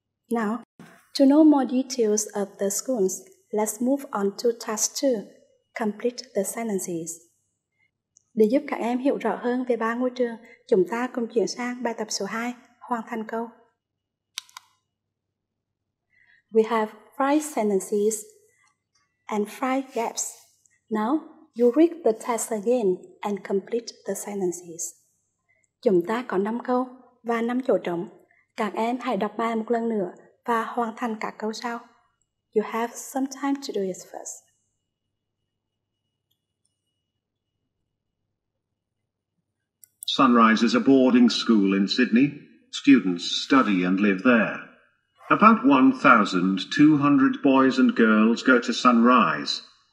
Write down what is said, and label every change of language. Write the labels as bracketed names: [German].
[English] Now, to know more details of the schools, let's move on to task 2, complete the sentences. [Vietnamese] Để giúp các em hiểu rõ hơn về ba ngôi trường, chúng ta cùng chuyển sang bài tập số 2, hoàn thành câu. [English] We have 5 sentences and 5 gaps. Now, you read the test again and complete the sentences. [Vietnamese] Chúng ta có 5 câu và 5 chỗ trống. Các em hãy đọc bài một lần nữa và hoàn thành cả câu sau. [English] You have some time to do it first. Sunrise is a boarding school in Sydney. Students study and live there. About 1,200 boys and girls go to Sunrise.